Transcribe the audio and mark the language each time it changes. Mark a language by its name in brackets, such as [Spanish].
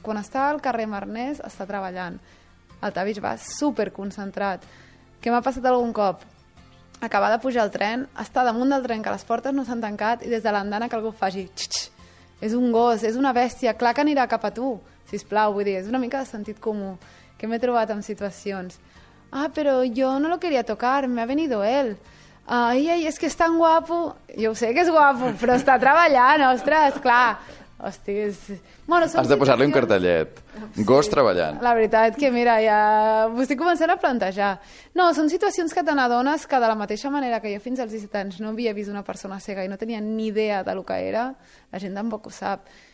[Catalan] Quan està al carrer amb arnès, està treballant. El Tavish va superconcentrat. Què m'ha passat algun cop? Acabar de pujar al tren, està damunt del tren, que les portes no s'han tancat, i des de l'andana que algú faci... Xx, és un gos, és una bèstia, clar que anirà cap a tu, sisplau. Vull dir, és una mica de sentit comú. Què m'he trobat en situacions? [Spanish] Ah, però jo no lo quería tocar, me ha venido él. [Catalan] Ai, és que és tan guapo. Jo ho sé que és guapo, però està treballant, ostres, clar. Hosti, és... Bueno, has de posar-li un cartellet. Sí. Gos treballant. La veritat que, mira, ja m'ho estic començant a plantejar. No, són situacions que t'adones que de la mateixa manera que jo fins als 17 anys no havia vist una persona cega i no tenia ni idea de lo que era, la gent tampoc ho sap.